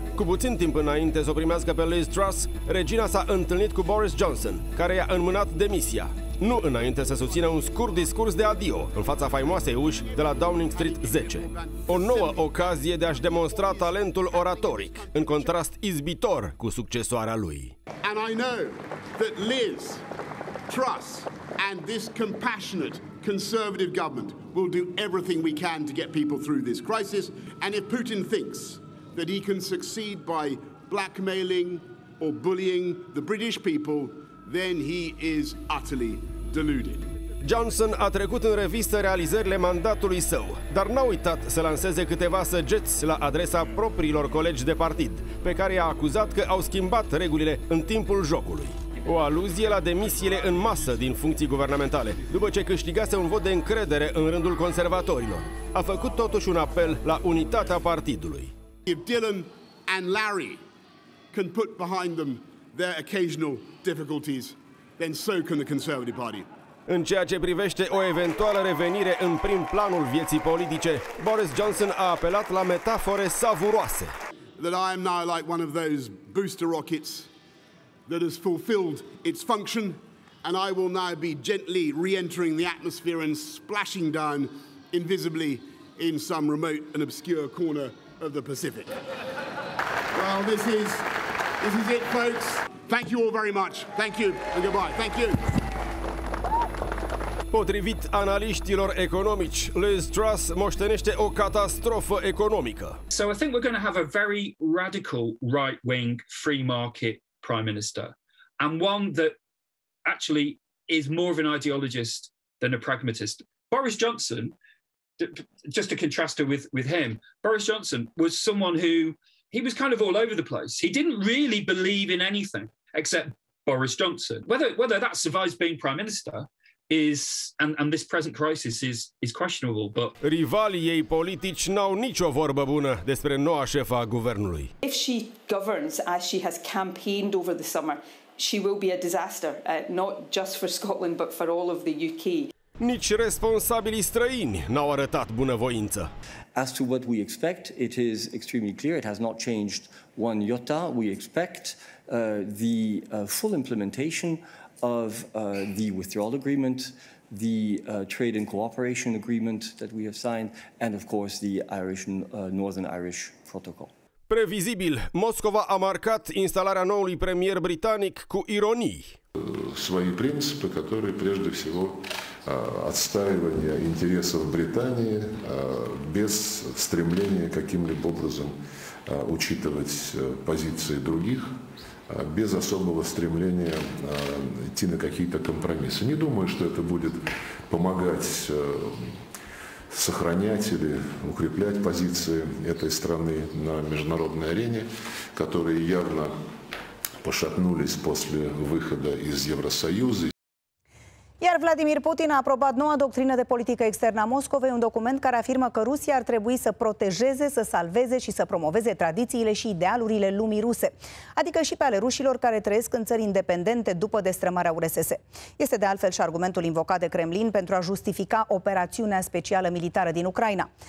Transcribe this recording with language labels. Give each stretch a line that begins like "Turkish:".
Romanian: Cu puțin timp înainte să o primească pe Liz Truss, regina s-a întâlnit cu Boris Johnson, care i-a înmânat demisia. Nu înainte să susțină un scurt discurs de adio în fața faimoasei uși de la Downing Street 10. O nouă ocazie de a-și demonstra talentul oratoric, în contrast izbitor cu succesoarea lui.
English: And I know that Liz Truss and this compassionate conservative government will do everything we can to get people through this crisis. And if Putin thinks that he can succeed by blackmailing or bullying the British people, then he is utterly deluded.
Romanian: Johnson a trecut în revistă realizările mandatului său, dar n-a uitat să lanseze câteva săgeți la adresa propriilor colegi de partid, pe care i-a acuzat că au schimbat regulile în timpul jocului. O aluzie la demisiile în masă din funcții guvernamentale, după ce câștigase un vot de încredere în rândul conservatorilor. A făcut totuși un apel la unitatea partidului.
English: If Dylan and Larry can put behind them their occasional difficulties, then so can the Conservative Party.
Romanian: În ceea ce privește o eventuală revenire în prim planul vieții politice, Boris Johnson a apelat la metafore savuroase.
English: That I am now like one of those booster rockets that has fulfilled its function, and I will now be gently re-entering the atmosphere and splashing down invisibly in some remote and obscure corner of the Pacific. Well, this is it, folks. Thank you all very much. Thank you and goodbye. Thank you.
Romanian: Potrivit analiștilor economici, Liz Truss moștenește o catastrofă economică.
English: So I think we're going to have a very radical right-wing free market prime minister, and one that actually is more of an ideologist than a pragmatist. Boris Johnson, just to contrast it with him, Boris Johnson was someone who, he was kind of all over the place. He didn't really believe in anything except Boris Johnson. Whether that survives being prime minister is, and this present crisis is questionable, but...
Romanian: Rivalii ei politici n-au nicio vorbă bună despre noua șefă a guvernului.
English: If she governs as she has campaigned over the summer, she will be a disaster, not just for Scotland, but for all of the UK.
Romanian: Nici responsabilii străini n-au arătat bunăvoință.
English: As to what we expect, it is extremely clear, it has not changed one iota. We expect the full implementation of the withdrawal agreement, the trade and cooperation agreement that we have signed, and of course the Northern Irish protocol.
Romanian: Previzibil, Moscova a marcat instalarea noului premier britanic cu ironii.
Russian: Свои принципы, которые прежде всего отстаивания интересов Британии без стремления каким-либо образом учитывать позиции других, без особого стремления идти на какие-то компромиссы. Не думаю, что это будет помогать сохранять или укреплять позиции этой страны на международной арене, которые явно пошатнулись после выхода из Евросоюза.
Romanian: Iar Vladimir Putin a aprobat noua doctrină de politică externă a Moscovei, un document care afirmă că Rusia ar trebui să protejeze, să salveze și să promoveze tradițiile și idealurile lumii ruse, adică și pe ale rușilor care trăiesc în țări independente după destrămarea URSS. Este de altfel și argumentul invocat de Kremlin pentru a justifica operațiunea specială militară din Ucraina.